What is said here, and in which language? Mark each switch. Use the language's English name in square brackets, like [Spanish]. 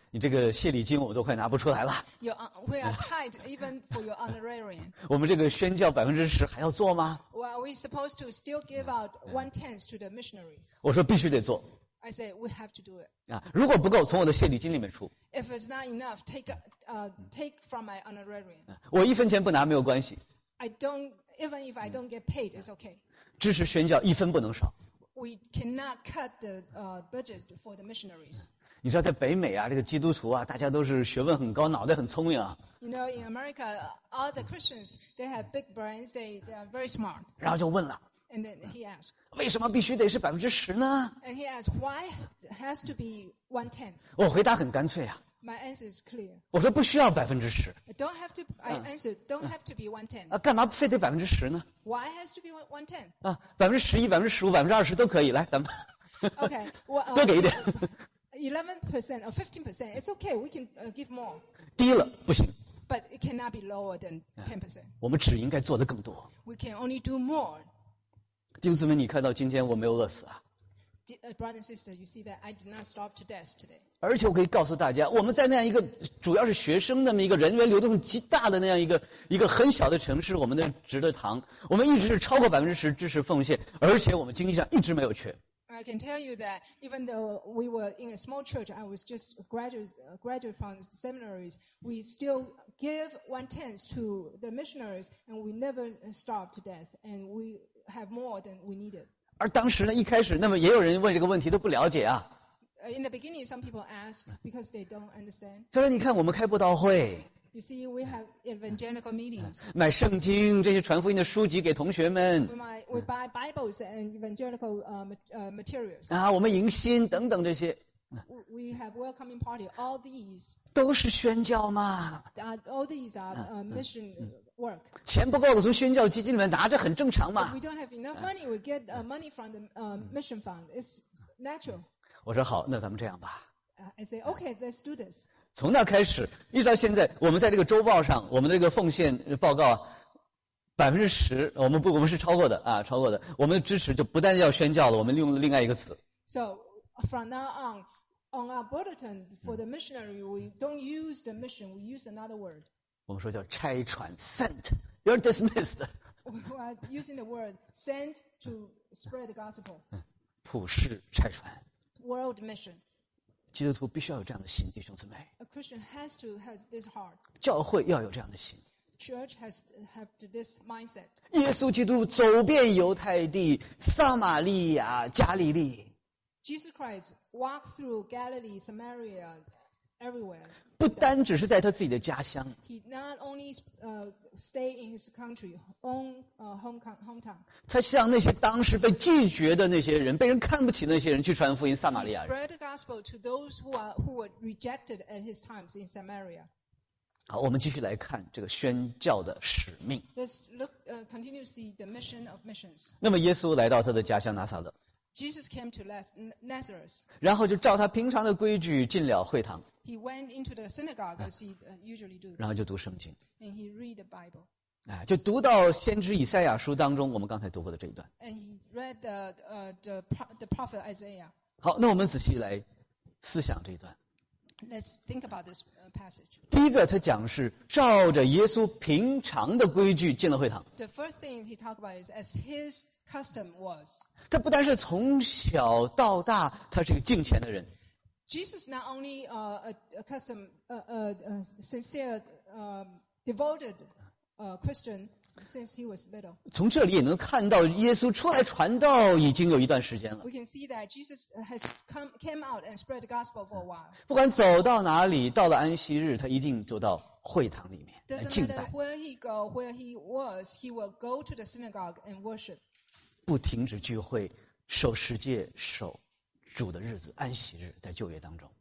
[Chinese] 你这个谢礼金我都快拿不出来了。 [English] We are tight even for your honorarium. [Chinese] 我们这个宣教10%还要做吗 [English] ？Well, we supposed to still give out one tenth to the missionaries. [Chinese] 我说必须得做。 [English] I said we have to do it. [Chinese] 啊，如果不够，从我的谢礼金里面出。 [English] If it's not enough, take from my honorarium. [Chinese] 我一分钱不拿没有关系。 [English] Even if I don't get paid, it's okay. [Chinese] 支持宣教一分不能少。 [English] We cannot cut the budget for the missionaries. [Chinese] 你知道在北美啊，这个基督徒啊，大家都是学问很高，脑袋很聪明啊。 [English] You know, in America, all the Christians they have big brains, they are very smart. [Chinese] 然后就问了。 [English] And then he asked. [Chinese] 为什么必须得是10%呢 [English] ？And he asked why has to be one tenth. [Chinese] 我回答很干脆啊。 [English] My answer is clear. [Chinese] 我说不需要10%。 [English] Don't have to. I answered. Don't have to be one tenth. [Chinese] 啊，干嘛非得10%呢 [English] ？Why has to be one tenth? [Chinese] 啊，11%、15%、20%都可以。来，咱们。 [English] Okay. Well, [Chinese] 多给一点。 [English] 11% or 15%. It's okay. We can give more. [Chinese] 低了不行。 [English] But it cannot be lower than 10%. [Chinese] 我们只应该做的更多。 [English] We can only do more. [Chinese] 弟兄姊妹，你看到今天我没有饿死啊。 [English] Brother and sister, you see that I did not starve to death today. [Chinese] 而且我可以告诉大家，我们在那样一个主要是学生那么一个人员流动极大的那样一个很小的城市，我们的职的堂，我们一直是超过10%支持奉献，而且我们经济上一直没有缺。 [English] I can tell you that even though we were in a small church, I was just graduate from the seminaries, we still give one tenth to the missionaries, and we never starve to death, and we have more than we needed. [Chinese] 而当时呢，一开始，那么也有人问这个问题，都不了解啊。 [English] In the beginning, some people ask because they don't understand. [Chinese] 就说你看，我们开布道会。 [English] You see, we have evangelical meetings. [Chinese] 买圣经这些传福音的书籍给同学们。 [English] We buy Bibles and evangelical materials. [Chinese] 啊，我们迎新等等这些。 [English] We have welcoming party. All these [Chinese] 都是宣教嘛。 [English] All these are mission work. [Chinese] 钱不够了，从宣教基金里面拿着很正常嘛。 [English] We don't have enough money. We get money from the mission fund. It's natural. [Chinese] 我说好，那咱们这样吧。 [English] I say okay, let's do this. [Chinese] 从那开始，一直到现在，我们在这个周报上，我们这个奉献报告10%，我们是超过的啊，超过的。我们的支持就不但叫宣教了，我们用了另外一个词。 [English] So. From now on our bulletin for the missionary, we don't use the mission, we use another word. [Chinese] 我们说叫拆船 [English] sent. You're dismissed. We are using the word sent to spread the gospel. [Chinese] 普世拆船 [English] World mission. [Chinese] 基督徒必须要有这样的心，弟兄姊妹。 [English] A Christian has to have this heart. [Chinese] 教会要有这样的心。 [English] Church has to have this mindset. [Chinese] 耶稣基督走遍犹太地、撒玛利亚、加利利。 [English] Jesus Christ walked through Galilee, Samaria, everywhere. [Chinese] 不单只是在他自己的家乡。 [English] He not only stay in his country, own hometown. [Chinese] 他向那些当时被拒绝的那些人，被人看不起那些人去传福音，撒玛利亚人。 [English] He spread the gospel to those who were rejected at his times in Samaria. [Chinese] 好，我们继续来看这个宣教的使命。 [English] Let's look continuously the mission of missions. [Chinese] 那么耶稣来到他的家乡拿撒勒。 [English] Jesus came to Nazareth. [Chinese] 然后就照他平常的规矩进了会堂。 [English] He went into the synagogue as he usually do. [Chinese] 然后就读圣经。 [English] And he read the Bible. [Chinese] 哎，就读到先知以赛亚书当中我们刚才读过的这一段。 [English] And he read the prophet Isaiah. [Chinese] 好，那我们仔细来思想这一段。 [English] Let's think about this passage. [Chinese] 第一个他讲是照着耶稣平常的规矩进了会堂。 [English] The first thing he talked about is as his custom was. [Chinese] 他不单是从小到大他是一个敬虔的人。 [English] Jesus not only a devoted Christian since he was little. [Chinese] 从这里也能看到耶稣出来传道已经有一段时间了。 [English] We can see that Jesus has came out and spread the gospel for a while. [Chinese] 不管走到哪里，到了安息日，他一定走到会堂里面来敬拜。 [English] Doesn't matter where he go, where he was, he will go to the synagogue and worship. [Chinese] 不停止聚会，守十诫，守主的日子，安息日，在旧约当中。